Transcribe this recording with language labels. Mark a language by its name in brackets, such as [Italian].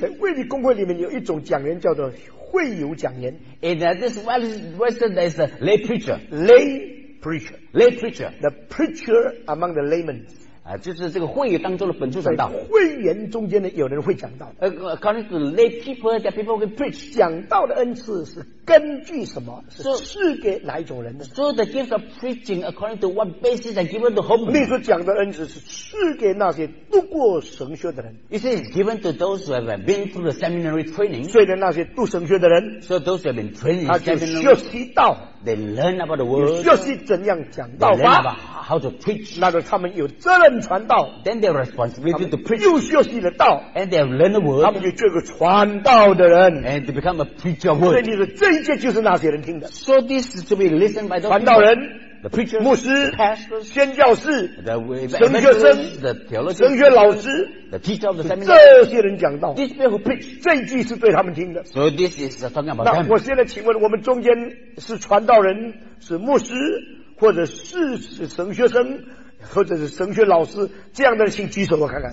[Chinese] 在卫理公会里面有一种讲员叫做会友讲员 [English] In this Western, there is a lay preacher Lay preacher Lay preacher The preacher among the laymen [Chinese] 就是这个会友当中的本处讲道会员中间的有人会讲道 [English] According to the lay people, that people can preach [Chinese] 讲道的恩赐是根据什么是赐给哪一种人的 [English] so the gift of preaching according to what basis are given to whom [Chinese] 你所讲的恩赐是赐给那些读过神学的人 [English] it is given to those who have been through the seminary training [Chinese] 所以那些读神学的人 [English] so those who have been trained in seminary [Chinese] 学习到 [English] they learn about the word [Chinese] 学习怎样讲道法 [English] they learn about how to preach [Chinese] 那个他们有责任传道 [English] then they have responsibility to preach [Chinese] 又学习了道 [English] and they have learned the word [Chinese] 他们就做个传道的人 [English] and to become a preacher of word [Chinese] 所以你说这一切就是那些人听的 [English] so this is to be listened by the [Chinese] 传道人 [English] the preacher, [Chinese] 牧师 [English] pastors, [Chinese] 宣教士 [English] the evangelist, [Chinese] 神学生 [English] the theologian, [Chinese] 神学老师 [English] the teacher of the seminary, [Chinese] 这些人讲道 [English] this people who preach, [Chinese] 这一句是对他们听的 [English] so this is talking about them [Chinese] 那我现在请问我们中间是传道人是牧师或者是神学生或者是神学老师这样的人请举手我看看